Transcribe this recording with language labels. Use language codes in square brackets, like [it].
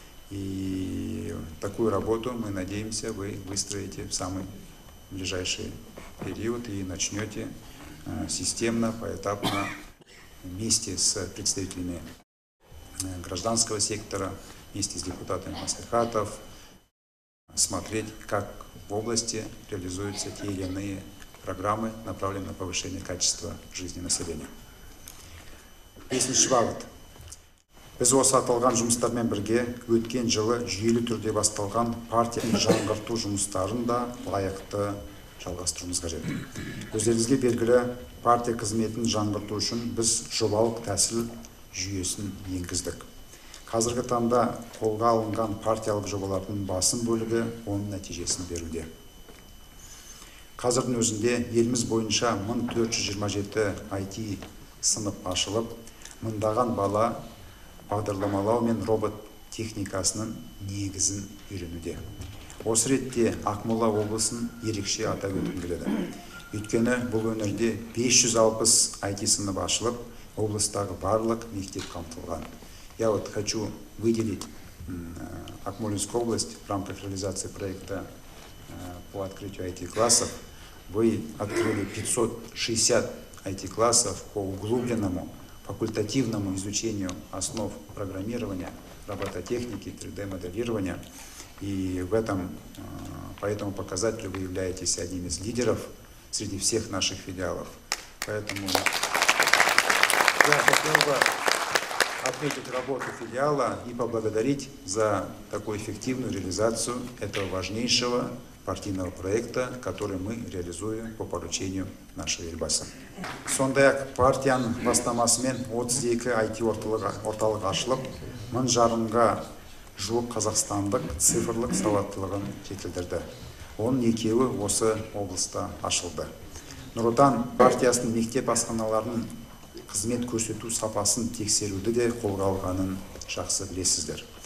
[ru] И такую работу, мы надеемся, вы выстроите в самый ближайший период и начнете системно, поэтапно, вместе с представителями гражданского сектора, вместе с депутатами маслихатов, смотреть, как в области реализуются те или иные программы, направленные на повышение качества жизни населения. Если швабат. [kk] Без осаталган жұмыстармен бірге, өткен жылы жүйелі түрде басталған партия жаңғырту жұмыстарын да лайықты жалғастыруымыз қажет. Өздеріңізге белгілі, партия қызметін жаңғырту үшін біз жобалық тәсіл жүйесін енгіздік. Қазіргі таңда қолға алынған партиялық жобалардың басым бөлігі оның нәтижесін беруде. Қазірдің өзінде еліміз бойынша 1427 IT сынып ашылып, мыңдаған бала бағдарламалау мен робот техникасының негізін үйренуде. Осы ретте Ақмола облысын ерекше атап өткім келеді. Өйткені бұл өңірде 560 IT сынып ашылып, облыстағы барлық мектеп қамтылған. [ru] Я вот хочу выделить Акмолинскую область в рамках реализации проекта по открытию IT-классов. Вы открыли 560 IT-классов по углубленному факультативному изучению основ программирования, робототехники, 3D-моделирования. И в этом, по этому показателю вы являетесь одним из лидеров среди всех наших филиалов. Поэтому я хотел бы отметить работу филиала и поблагодарить за такую эффективную реализацию этого важнейшего партийного проекта, который мы реализуем по поручению нашего Елбасы. [kk] Сондай-ақ партияның бастамасымен 32 IT орталығы ашылып, 1500-ға жуық қазақстандық цифрлық сауаттылығын жетілдірді. Оның екеуі осы облыста ашылды. Нұр Отан партиясының мектеп асханаларының қызмет көрсету сапасын тексеруді де қолға алғанын жақсы білесіздер.